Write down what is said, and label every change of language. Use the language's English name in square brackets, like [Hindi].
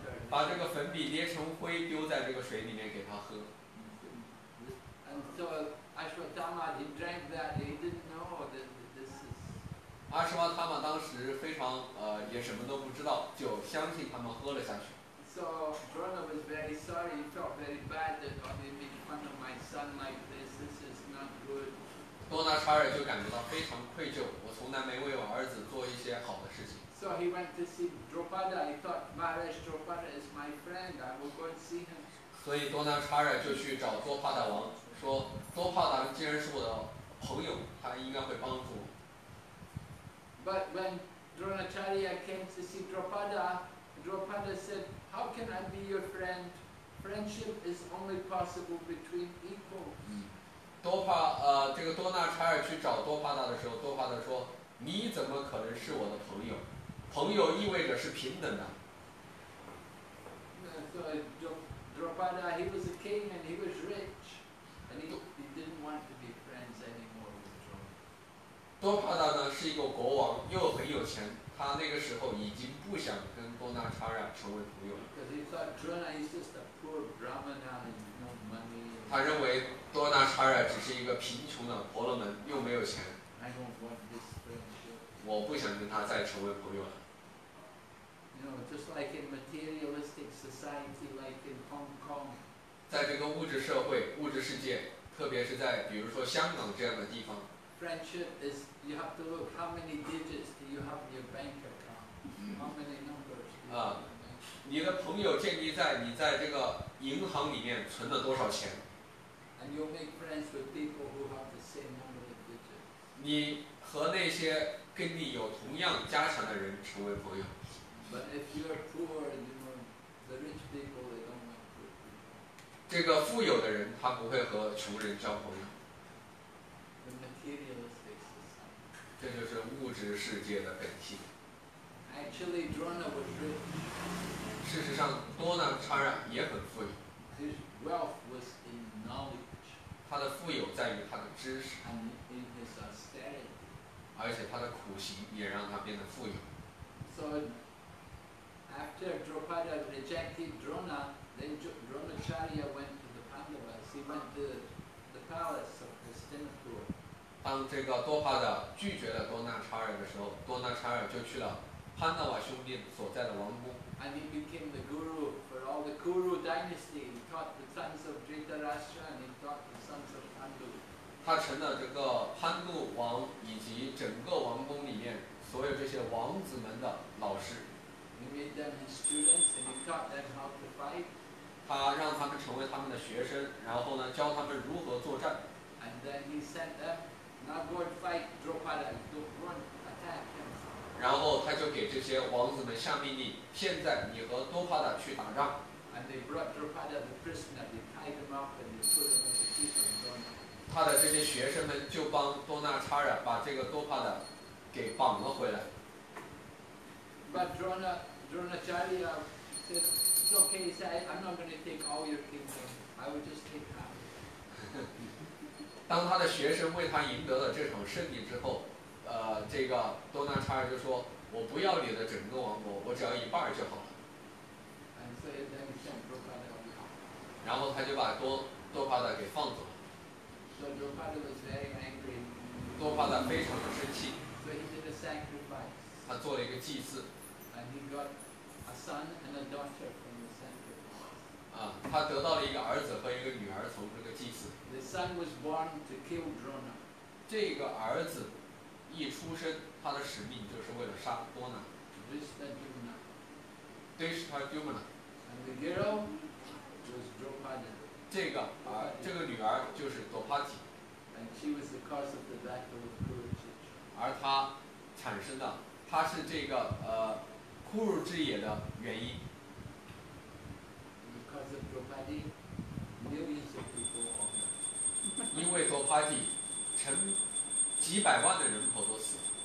[Chinese] 把这个粉笔捏成灰，丢在这个水里面给他喝。 [English] And so Ashwatthama he drank that, he didn't know that this is. [Chinese] 阿什瓦塔玛当时非常也什么都不知道，就相信他们喝了下去。 [English] So Drona was very sorry, he felt very bad that they made fun of my son like this. This is not good. [Chinese] 多纳查尔就感觉到非常愧疚，我从来没为我儿子做一些好的事情。 [English] So he went to see Draupada. He thought Maharaj Draupada is my friend. I will go and see him. [Chinese] 所以多纳查尔就去找多帕达王，说多帕达既然是我的朋友，他应该会帮助我。 [English] But when Dronacharya came to see Draupada, Draupada said, "How can I be your friend? Friendship is only possible between equals." [Chinese] 多帕这个多纳查尔去找多帕达的时候，多帕达说：“你怎么可能是我的朋友？” 朋友意味着是平等的。 [English] So Draupada, he was a king and he was rich, and he didn't want to be friends anymore with Drona. [Chinese] 多帕达呢是一个国王，又很有钱，他那个时候已经不想跟多纳查尔成为朋友了。 [English] Because he thought Drona is just a poor Brahmana with no money. [Chinese] 他认为多纳查尔只是一个贫穷的婆罗门，又没有钱。 [English] I don't want this. [Chinese] 我不想跟他再成为朋友了。 [English] You know, just like in materialistic society, like in Hong Kong. [Chinese] 在这个物质社会、物质世界，特别是在比如说香港这样的地方。 [English] Friendship is you have to look how many digits do you have in your bank account, how many numbers. [Chinese] 啊，你的朋友建立在你在这个银行里面存了多少钱。 [English] And you make friends with people who have the same number of digits. [Chinese] 你和那些跟你有同样家产的人成为朋友。 [English] But if you are poor, you know, the rich people they don't want to. [Chinese] 这个富有的人他不会和穷人交朋友。 [English] The materialistic society. [Chinese] 这就是物质世界的本性。 [English] Actually, Drona was rich. [Chinese] 事实上，多纳查尔也很富有。 [English] His wealth was in knowledge. [Chinese] 他的富有在于他的知识。 [English] And in his austerity. [Chinese] 而且他的苦行也让他变得富有。 [English] So after Draupada rejected Drona, then Dronacharya went to the Pandavas. He went to the palace of Hastinapur. [Chinese] 当这个多帕达拒绝了多纳查尔的时候，多纳查尔就去了潘达瓦兄弟所在的王宫。 [English] And he became the guru for all the Kuru dynasty. He taught the sons of Dhritarashtra and he taught the sons of Pandu. [Chinese] 他成了这个潘度王以及整个王宫里面所有这些王子们的老师。 [English] He made them his students and he taught them how to fight. [Chinese] 他让他们成为他们的学生，然后呢教他们如何作战。 [English] And then he sent them, now go and fight Draupada, go run, attack him. [Chinese] 然后他就给这些王子们下命令，现在你和多帕达去打仗。 [English] And they brought Draupada the prisoner, they tied him up and they put him in the teeth of Drona. [Chinese] 他的这些学生们就帮多纳查尔把这个多帕达给绑了回来。 [English] But Dronacharya said, "It's okay, sir. I'm not going to take all your kingdom. I will just take half." [Chinese] 当他的学生为他赢得了这场胜利之后，这个多纳查尔就说：“我不要你的整个王国，我只要一半就好了。” [English] And so then he sent Dronacharya. [Chinese] 然后他就把多巴的给放走了。 [English] So Drupada was very angry. [Chinese] 多巴的非常的生气。 [English] So he did a sacrifice. [Chinese] 他做了一个祭祀。 [English] And he got a son and a daughter from the sacrifice. [Chinese] 啊，他得到了一个儿子和一个女儿从这个祭祀。 [English] The son was born to kill Drona. [Chinese] 这个儿子一出生，他的使命就是为了杀多纳。 [English] Drishtadyumna. [Chinese] 对，是他舅母呢。 [English] And the girl was Drupada. [Chinese] 这个女儿就是多帕提。 [English] And she was the cause of the battle of Kurukshetra. [Chinese] 而她产生的，她是这个枯乳之野的原因。 [English] Because of Drupadi, millions of people are dead. [Chinese] 因为多帕提，几百万的人口都死了。